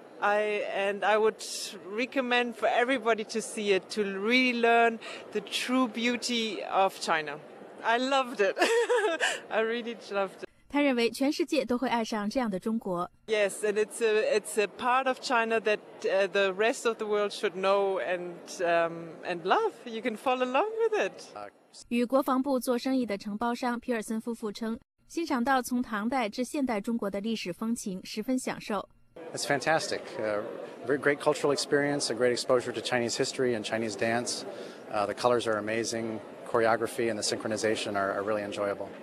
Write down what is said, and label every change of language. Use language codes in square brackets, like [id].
[en] I would recommend for everybody to see it, to really learn the true beauty of China. I loved it. I really loved it. [zh] 他认为全世界都会爱上这样的中国。 [en] Yes, and it's a part of China that the rest of the world should know and love. You can fall in love with it. [zh] 与国防部做生意的承包商皮尔森夫妇称，欣赏到从唐代至现代中国的历史风情，十分享受。 [en] It's fantastic. Very great cultural experience, a great exposure to Chinese history and Chinese dance. The colors are amazing. Choreography and the synchronization are really enjoyable.